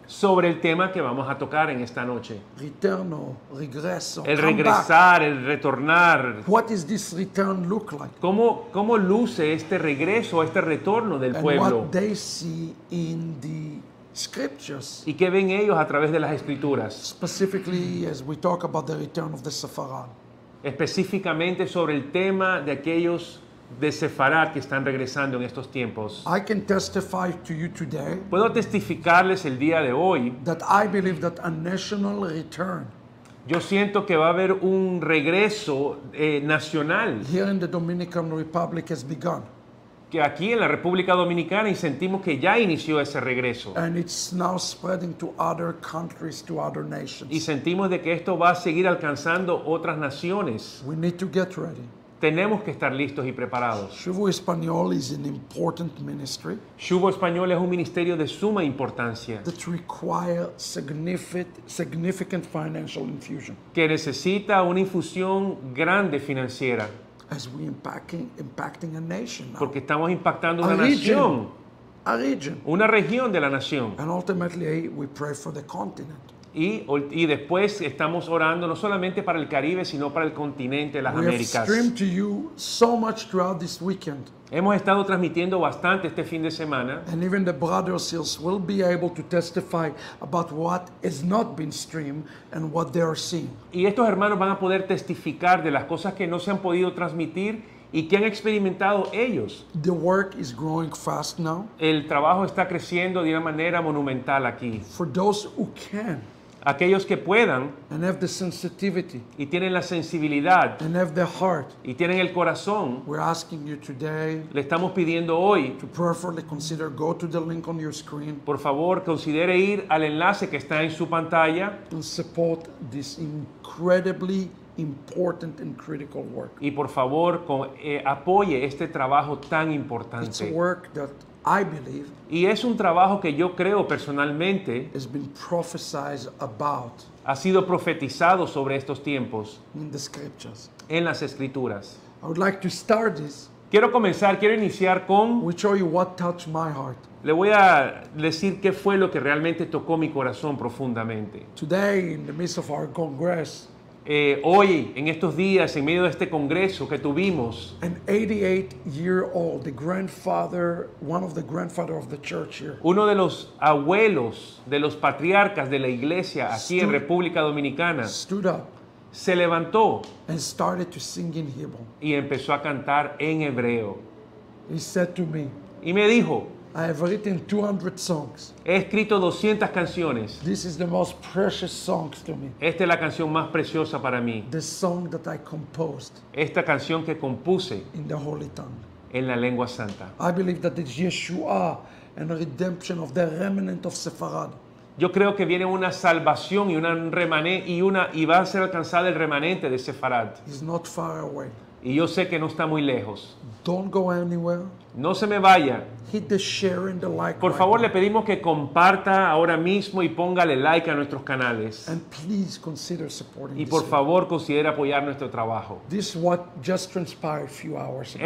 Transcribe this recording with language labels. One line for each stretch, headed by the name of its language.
Spanish: Sobre el tema que vamos a tocar en esta noche. Retorno, regreso, el regresar, el retornar.
English: What is this return look like?
Spanish: ¿Cómo luce este regreso, este retorno del
English: And
Spanish: pueblo?
English: What they see in the scriptures.
Spanish: ¿Y qué ven ellos a través de las escrituras?
English: Specifically as we talk about the return of the Sefarad.
Spanish: Específicamente sobre el tema de aquellos de Sefarad que están regresando en estos tiempos.
English: I can testify to you today.
Spanish: Puedo testificarles el día de hoy.
English: That I believe that a national return.
Spanish: Yo siento que va a haber un regreso nacional.
English: Here in the Dominican Republic has begun.
Spanish: Que aquí en la República Dominicana y sentimos que ya inició ese regreso.
English: And it's now spreading to other countries, to other nations.
Spanish: Y sentimos de que esto va a seguir alcanzando otras naciones.
English: We need to get ready.
Spanish: Tenemos que estar listos y preparados.
English: Shuvo Español is an important ministry.
Spanish: Shuvo Español es un ministerio de suma importancia.
English: That requires significant financial infusion.
Spanish: Que necesita una infusión grande financiera.
English: As we impacting a nation now.
Spanish: Porque estamos impactando una nación.
English: A region.
Spanish: Una región de la nación.
English: And ultimately we pray for the continent.
Spanish: Y después estamos orando no solamente para el Caribe, sino para el continente, las Américas.
English: We have streamed to you so much throughout this weekend.
Spanish: Hemos estado transmitiendo bastante este fin de semana.
English: And even the brothers will be able to testify about what has not been streamed and what they are seeing.
Spanish: Y estos hermanos van a poder testificar de las cosas que no se han podido transmitir y que han experimentado ellos.
English: The work is growing fast now.
Spanish: El trabajo está creciendo de una manera monumental aquí.
English: For those who can.
Spanish: Aquellos que puedan
English: and have the sensitivity,
Spanish: y tienen la sensibilidad
English: and have the heart,
Spanish: y tienen el corazón,
English: we're asking you today,
Spanish: le estamos pidiendo hoy
English: to preferably consider, go to the link on your screen,
Spanish: por favor considere ir al enlace que está en su pantalla
English: and support this incredibly important and critical work.
Spanish: Y por favor apoye este trabajo tan importante.
English: It's a work that I believe,
Spanish: y es un trabajo que yo creo personalmente
English: has been prophesized about,
Spanish: ha sido profetizado sobre estos tiempos
English: in the scriptures.
Spanish: En las escrituras.
English: I would like to start this,
Spanish: quiero iniciar con
English: we'll show you what touched my heart.
Spanish: Le voy a decir qué fue lo que realmente tocó mi corazón profundamente.
English: Today, in the midst of our congress,
Spanish: hoy, en estos días, en medio de este congreso que tuvimos,
English: an 88-year-old, the grandfather, one of the grandfather of the church here,
Spanish: uno de los abuelos de los patriarcas de la iglesia aquí en República Dominicana,
English: stood up,
Spanish: se levantó
English: and started to sing in Hebrew.
Spanish: Y empezó a cantar en hebreo.
English: He said to me,
Spanish: y me dijo,
English: I have written 200 songs.
Spanish: He escrito 200 canciones.
English: This is the most precious songs to me.
Spanish: Esta es la canción más preciosa para mí.
English: The song that I composed.
Spanish: Esta canción que compuse.
English: In the holy tongue.
Spanish: En la lengua santa.
English: I believe that it's Yeshua and the redemption of the remnant of Sepharad.
Spanish: Yo creo que viene una salvación y una y va a ser alcanzada el remanente de Sepharad.
English: It's not far away.
Spanish: Y yo sé que no está muy lejos.
English: Don't go anywhere.
Spanish: No se me vaya.
English: Hit the share and the like.
Spanish: Por favor, le pedimos que comparta ahora mismo y póngale like a nuestros canales.
English: And please consider supporting.
Spanish: Y por favor, considere apoyar nuestro trabajo.
English: This is what just transpired a few hours ago.